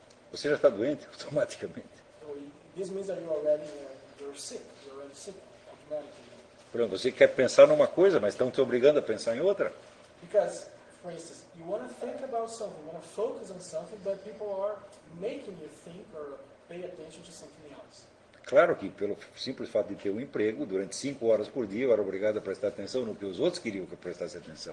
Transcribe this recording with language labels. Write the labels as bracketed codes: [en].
[pt] Você já está doente automaticamente. [en] This means that you're already sick automatically. [pt] Por exemplo, você quer pensar numa coisa, mas estão te obrigando a pensar em outra. [en] Because, for instance, you want to think about something, you want to focus on something, but people are making you think or pay attention to something else. [pt] Claro que pelo simples fato de ter um emprego, durante 5 horas por dia, eu era obrigado a prestar atenção no que os outros queriam que eu prestasse atenção.